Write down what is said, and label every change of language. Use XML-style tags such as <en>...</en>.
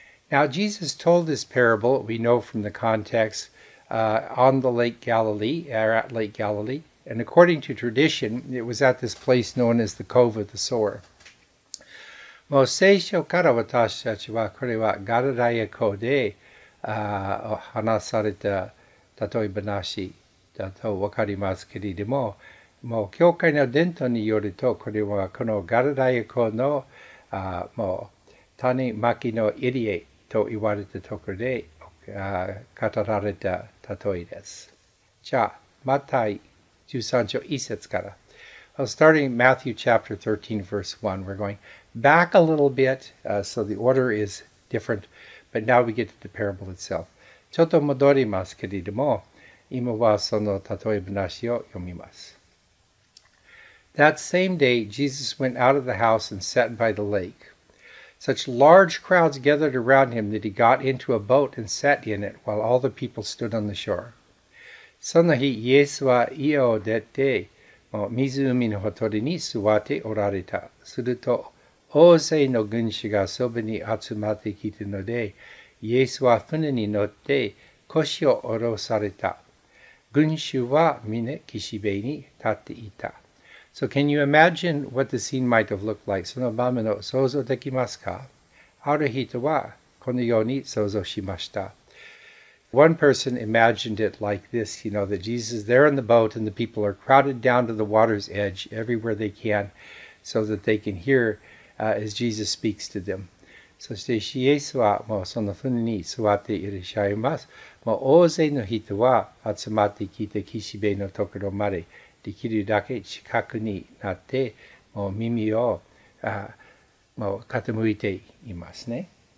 <en>Now, Jesus told this parable, we know from the context,on the Lake Galilee, or at Lake Galilee. And according to tradition, it was at this place known as the Cove of the Sower.</en> <ja>もう聖書から私たちはこれはガラダヤ湖で話された例え話だとわかりますけれども、もう教会の伝統によるとこれはこのガラダヤ湖のもう種まきの入り江と言われたところで、語られた例えです。じゃあ、マタイ13章1節から。</ja> <en>Well, starting Matthew chapter 13, verse 1, we're going back a little bit,so the order is different, but now we get to the parable itself.</en> <ja>ちょっと戻りますけれども、今はその例え話を読みます。</ja> <en>That same day, Jesus went out of the house and sat by the lake. Such large crowds gathered around him that he got into a boat and sat in it while all the people stood on the shore.</en> <ja>その日、イエスは家を出て、もう湖のほとりに座っておられた。すると、大勢の群衆がそばに集まってきたので、イエスは船に乗って腰を下ろされた。群衆はみな岸辺に立っていた。</ja> <en>So can you imagine what the scene might have looked like?</en> <ja>その場面を想像できますか？ある人はこのように想像しました。</ja> <en>One person imagined it like this, you know, that Jesus is there in the boat and the people are crowded down to the water's edge everywhere they can so that they can hear as Jesus speaks to them.</en> <ja>そしてイエスはもうその船に座っていらっしゃいます。もう大勢の人は集まってきて岸辺のところまでできるだけ近くになって、もう耳をもう傾いていますね。</ja>